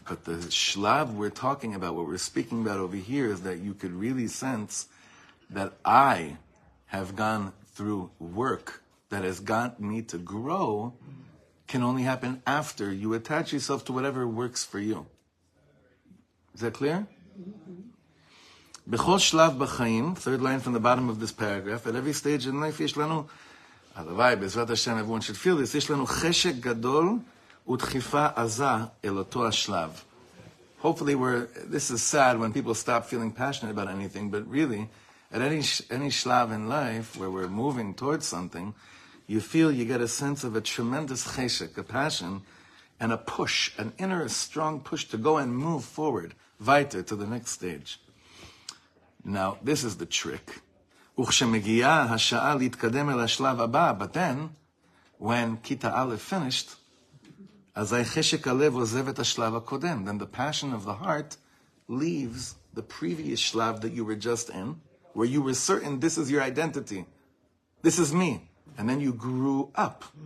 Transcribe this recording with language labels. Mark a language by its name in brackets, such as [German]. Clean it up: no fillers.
[English] But the shlav we're talking about, what we're speaking about over here, is that you could really sense that I have gone through work that has got me to grow can only happen after you attach yourself to whatever works for you. Is that clear? [Hebrew] בכל שלב בחיים, [English] third line from the bottom of this paragraph, at every stage in life [Hebrew] יש לנו, הלוואי, בעזרת השם, [English] everyone should feel this, [Hebrew] יש לנו חשק גדול ודחיפה עזה אל אותו השלב. [English] Hopefully this is sad when people stop feeling passionate about anything, but really, at any שלב in life where we're moving towards something, you feel you get a sense of a tremendous חשק, a passion, and a push, an inner strong push to go and move forward, weiter, to the next stage. Now, this is the trick. [Hebrew] וכשמגיעה השעה להתקדם אל השלב הבא, [English] but then, when [Hebrew] כיתה א' [English] finished, [Hebrew] אזי חשק הלב עוזב את השלב הקודם. [English] Then the passion of the heart leaves the previous שלב that you were just in, where you were certain this is your identity. This is me. And then you grew up.